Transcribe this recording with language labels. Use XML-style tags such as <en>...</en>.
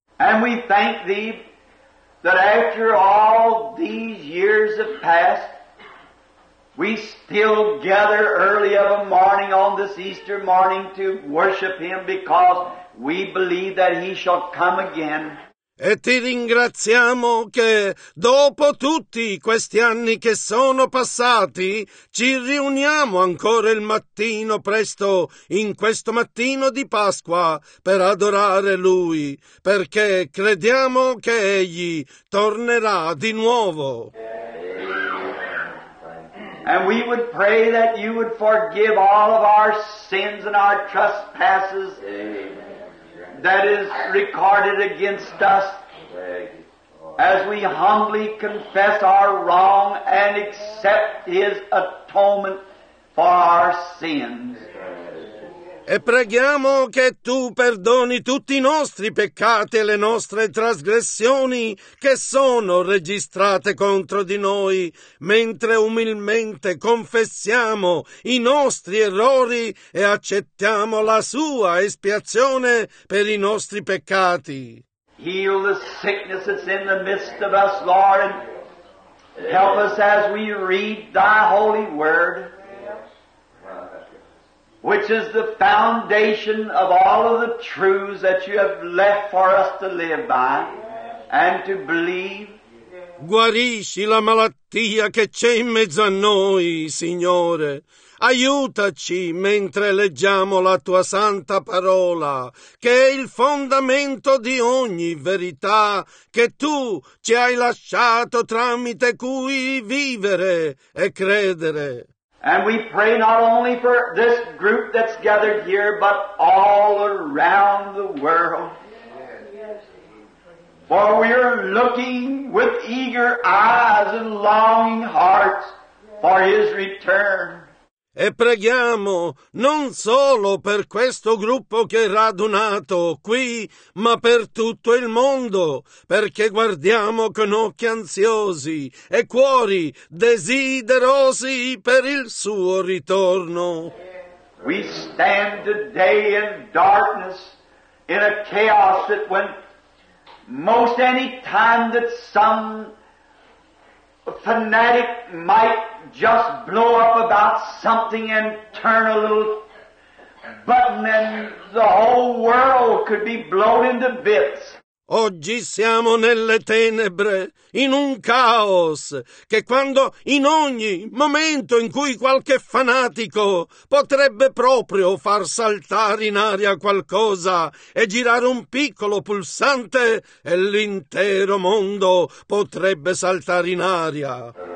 <en>And we thank thee that after all these years have passed, we still gather early of a morning on this Easter morning to worship Him because we believe that He shall come again.</en> <it>E ti ringraziamo che dopo tutti questi anni che sono passati ci riuniamo ancora il mattino presto in questo mattino di Pasqua per adorare Lui, perché crediamo che Egli tornerà di nuovo.</it> <en>And we would pray that you would forgive all of our sins and our trespasses that is recorded against us as we humbly confess our wrong and accept His atonement for our sins.</en> <it>E preghiamo che tu perdoni tutti i nostri peccati e le nostre trasgressioni che sono registrate contro di noi, mentre umilmente confessiamo i nostri errori e accettiamo la sua espiazione per i nostri peccati.</it> <en>Heal the sickness that's in the midst of us, Lord, and help us as we read thy holy word, which is the foundation of all of the truths that you have left for us to live by and to believe.</en> <it>Guarisci la malattia che c'è in mezzo a noi, Signore. Aiutaci mentre leggiamo la tua santa parola, che è il fondamento di ogni verità che tu ci hai lasciato tramite cui vivere e credere.</it> <en>And we pray not only for this group that's gathered here, but all around the world. For we are looking with eager eyes and longing hearts for His return.</en> <it>E preghiamo non solo per questo gruppo che è radunato qui, ma per tutto il mondo, perché guardiamo con occhi ansiosi e cuori desiderosi per il suo ritorno.</it> <en>We stand today in darkness, in a chaos that when most any time that some fanatic might just blow up about something and turn a little button and the whole world could be blown into bits.</en> <it>Oggi siamo nelle tenebre, in un caos, che quando in ogni momento in cui qualche fanatico potrebbe proprio far saltare in aria qualcosa e girare un piccolo pulsante e l'intero mondo potrebbe saltare in aria.</it>